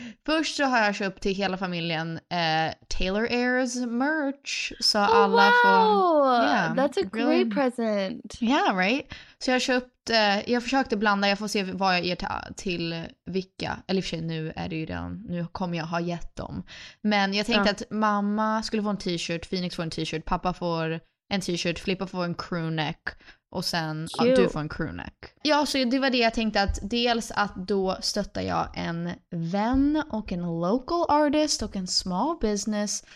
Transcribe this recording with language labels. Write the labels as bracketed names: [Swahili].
[Swedish] Först så har jag köpt till hela familjen Taylor Ayres merch. Så alla får... [English] Yeah, that's a really, great present. Yeah, right? [Swedish] Så jag har köpt... jag försökte blanda, jag får se vad jag ger till vilka. Eller för sig, nu är det ju redan... Nu kommer jag ha gett dem. Men jag tänkte att mamma skulle få en t-shirt, Phoenix får en t-shirt, pappa får en t-shirt, Flippa får en crewneck... Och sen att du får en crewneck. Ja, så det var det jag tänkte att dels att då stöttar jag en vän och en local artist och en small business.